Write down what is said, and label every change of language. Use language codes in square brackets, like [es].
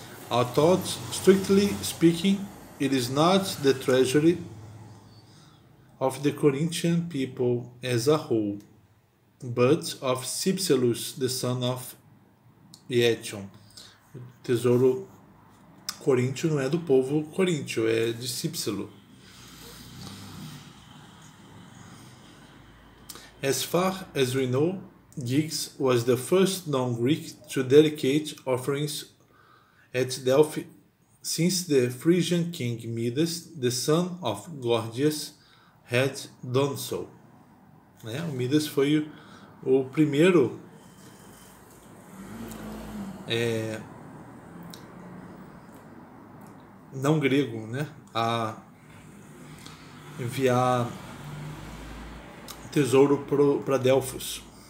[en] I thought, strictly speaking, it is not the treasury of the Corinthian people as a whole, but of Cypselus, the son of Eetion. [pt] O tesouro coríntio não é do povo coríntio, é de Cypselo. [en] As far as we know, Giges was the first known Greek to dedicate offerings at Delphi since the Phrygian king Midas, the son of Gorgias, had done so. [pt] Né? O Midas foi o primeiro não grego, né, a enviar tesouro para Delfos.